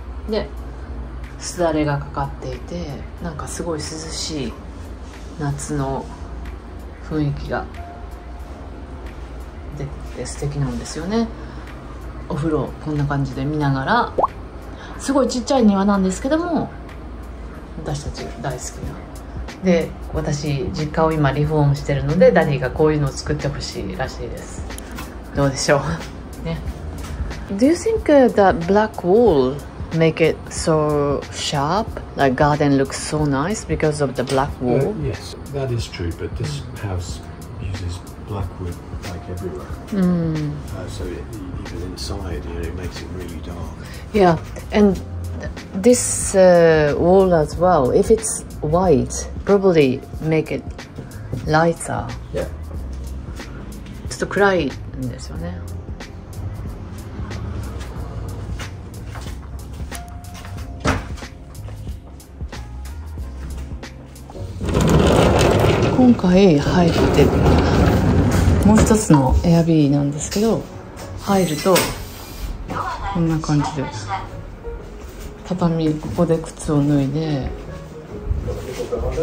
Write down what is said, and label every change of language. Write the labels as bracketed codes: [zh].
[ja] ですだれがかかっていて、なんかすごい涼しい夏の雰囲気が出てて素敵なんですよね。お風呂こんな感じで見ながら、すごいちっちゃい庭なんですけども、私たち大好きな、で私実家を今リフォームしてるので、ダディがこういうのを作ってほしいらしいです。どうでしょう。ね。 [en] Do you think that black wall make it so sharp? Like garden looks so nice because of the black wall? Yes, that is true, but this house uses black wood like everywhere. So even inside, you know, it makes it really dark. Yeah, and this wall as well, if it's white, probably make it lighter. Yeah. [ja] ちょっと暗いんですよね。今回入ってもう一つのエアビーなんですけど、入るとこんな感じで畳、ここで靴を脱いで、こ